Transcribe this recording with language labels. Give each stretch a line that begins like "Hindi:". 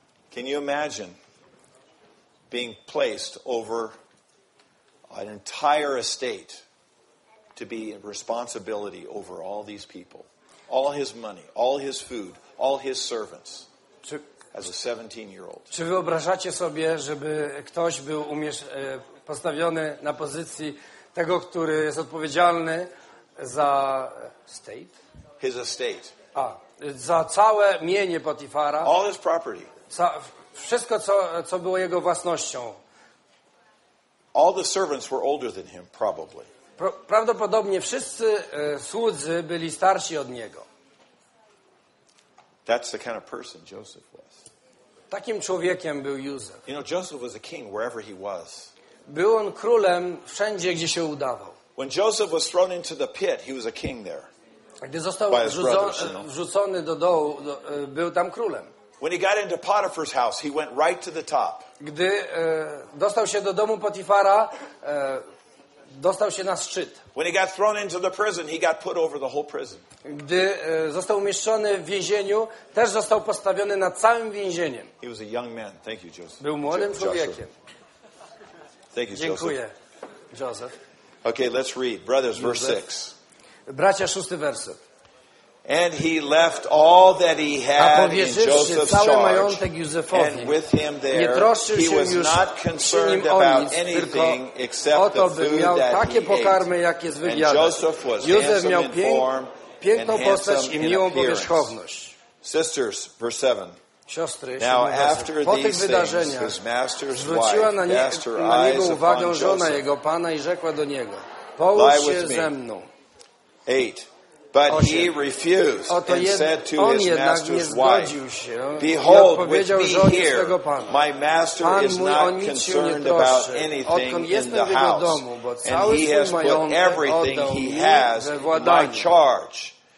English: Can you imagine being placed over an entire estate to be a responsibility over all these people? All his money, all his food, all his servants. As a 17-year-old.
Polish: Czy wyobrażacie sobie, żeby ktoś był postawiony na pozycji tego, który jest odpowiedzialny za state?
English: His estate.
Polish: A, za całe mienie Potifara.
English: All his property.
Polish: Wszystko, co było jego własnością.
English: All the servants were older than him, probably.
Polish: Prawdopodobnie wszyscy słudzy byli starsi od niego.
English: That's the kind of person Joseph was.
Polish: Takim człowiekiem był Józef.
English: You know, Joseph was a king wherever he was.
Polish: Był on królem wszędzie, gdzie się udawał.
English: When Joseph was thrown into the pit, he was a king there.
Polish: Gdy został wrzucony do dołu, był tam królem.
English: When he got into Potiphar's house, he went right to the top.
Polish: Gdy dostał się do domu Potifara, dostał się na szczyt.
English: When he got thrown into the prison, he got put over the whole prison.
Polish: Gdy został umieszczony w więzieniu, też został postawiony nad całym więzieniem.
English: He was a young man. Thank you, Joseph.
Polish: Był młodym człowiekiem.
English: Thank you,
Polish: Dziękuję,
English: Joseph. Okay, let's read. Brothers, Józef. Verse 6.
Polish: Bracia, szósty werset.
English: And he left all that he had in Joseph's charge, and with him there, he was not concerned about anything except the food that he ate.
Polish: Takie pokarmy, jakie
English: and Joseph was
Polish: Józef
English: handsome in form and handsome in appearance. Sisters, verse 7.
Polish: Siostry,
English: now after these things, his master's wife cast her eyes upon Joseph.
Polish: Jego pana I rzekła do niego, połóż się ze mną.
English: 8. But he refused and said to his master's wife, Behold, with me here, my master is not concerned about anything in the house, and he has put everything he has in my charge.